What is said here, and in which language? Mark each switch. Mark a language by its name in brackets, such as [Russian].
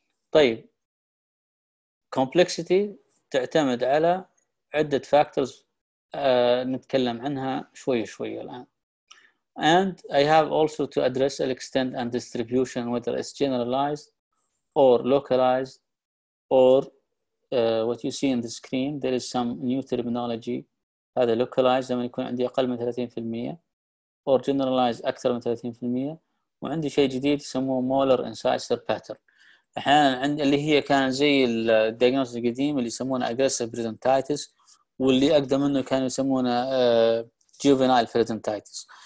[Arabic] طيب, complexity تعتمد على عدة factors نتكلم عنها شوية الآن. [English] And I have also to address the extent and distribution whether it's generalized or localized or what you see in the screen. There is some new terminology. [Arabic] هذا localized لما يكون عندي أقل من 30% [English] or generalized [Arabic] أكثر من 30%. وعندي شيء جديد يسموه molar incisor pattern. أحيانا اللي هي كان زي الدياجنوز القديم اللي يسمونه aggressive periodontitis واللي أقدم منه كانوا يسمونه juvenile periodontitis.